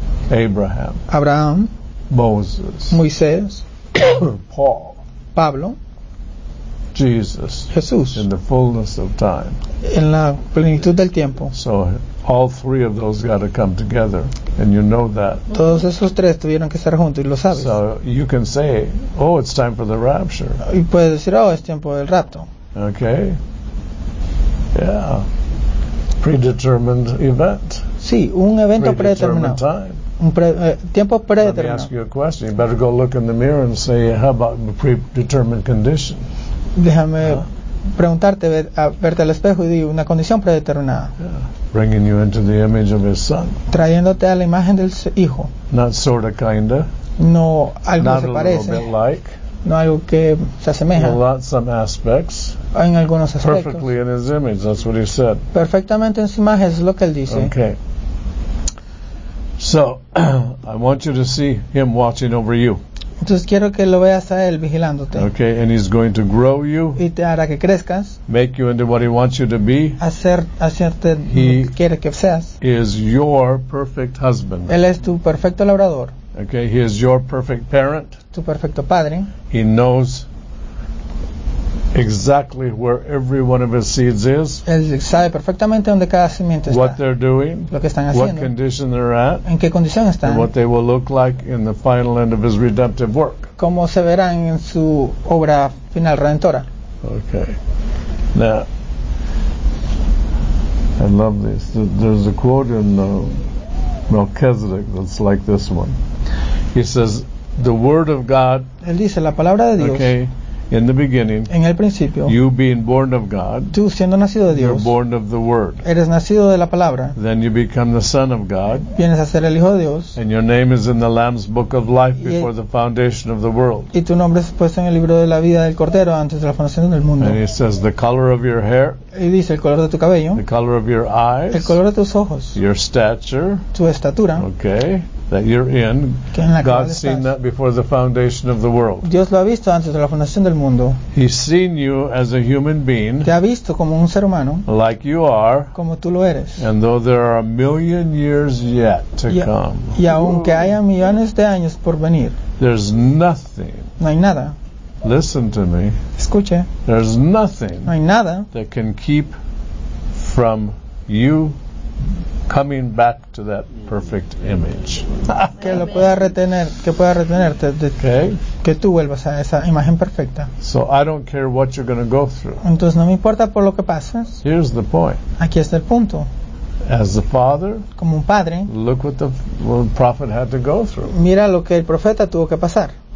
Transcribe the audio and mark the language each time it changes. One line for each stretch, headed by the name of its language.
English: Abraham.
Spanish: Abraham.
English: Moses.
Spanish: Moisés.
English: Paul.
Spanish: Pablo.
English: Jesus.
Spanish: Jesús.
English: In the fullness of time.
Spanish: En la plenitud del tiempo.
English: So all three of those got to come together. And you know that.
Spanish: Todos esos tres tuvieron que estar juntos y lo sabes.
English: So you can say, oh, it's time for the rapture.
Spanish: Y puedes decir, oh, es tiempo del rapto.
English: Okay. Yeah. Predetermined event.
Spanish: Sí, un evento
English: predetermined
Spanish: predeterminado.
English: Time.
Spanish: Tiempo predeterminado.
English: Let me ask you a question. You better go look in the mirror and say, how about the predetermined condition?
Spanish: Déjame preguntarte, verte al espejo y di una condición predeterminada.
English: Yeah. Bringing you into the image of his son.
Spanish: Trayéndote a la imagen del hijo.
English: Not sort of, kinda.
Spanish: No, algo
English: not
Spanish: se a parece.
English: Little bit like.
Spanish: No, algo que se asemeja.
English: Well, not some aspects.
Spanish: En algunos aspectos.
English: Perfectly in his image, that's what he said.
Spanish: Perfectamente en su imagen, es lo que él dice.
English: Okay. So, I want you to see him watching over you.
Spanish: Entonces quiero que lo veas a él vigilándote.
English: Okay, and he's going to grow you.
Spanish: Y te hará que crezcas.
English: Make you into what he wants you to be.
Spanish: Hacerte lo que quiere que seas.
English: He is your perfect husband.
Spanish: Él es tu perfecto labrador.
English: Okay, he is your perfect parent.
Spanish: Tu perfecto padre.
English: He knows exactly where every one of his seeds is.
Spanish: Él sabe perfectamente dónde cada semilla está.
English: What they're doing.
Spanish: Lo que están haciendo.
English: What condition they're at.
Spanish: En qué condición están.
English: And what they will look like in the final end of his redemptive work.
Spanish: Cómo se verán en su obra final redentora.
English: Okay. Now, I love this. There's a quote in Melchizedek that's like this one. He says, the word of God,
Spanish: él dice, la palabra de Dios,
English: okay, in the beginning,
Spanish: en el principio,
English: you being born of God,
Spanish: tú siendo nacido de Dios,
English: you're born of the word.
Spanish: Eres nacido de la palabra.
English: Then you become the son of God.
Spanish: Vienes a ser el hijo de Dios.
English: And your name is in the Lamb's book of life before the foundation of the world.
Spanish: Y tu nombre es puesto en el libro de la vida del Cordero antes de la fundación del mundo.
English: And he says, the color of your hair,
Spanish: y dice, el color de tu cabello,
English: the color of your eyes,
Spanish: el color de tus ojos,
English: your stature,
Spanish: tu estatura,
English: okay, that you're in, God's seen that before the foundation of the world.
Spanish: Dios lo ha visto antes de la fundación del mundo.
English: He's seen you as a human being,
Spanish: te ha visto como un ser humano,
English: like you are,
Spanish: como tú lo eres.
English: And though there are a million years yet to come,
Spanish: y aunque haya millones de años por venir,
English: there's nothing,
Spanish: no hay nada,
English: listen to me,
Spanish: escuche,
English: there's nothing,
Spanish: no hay nada,
English: that can keep from you coming back to that perfect image.
Spanish: Que lo pueda retener, que pueda retenerte,
English: okay,
Spanish: que tú vuelvas a esa imagen perfecta.
English: So I don't care what you're going to go through.
Spanish: Entonces no me importa por lo que pases.
English: Here's the point.
Spanish: Aquí está el punto.
English: As the father,
Spanish: como un padre,
English: look what the prophet had to go through.
Spanish: Mira lo que el profeta tuvo que pasar.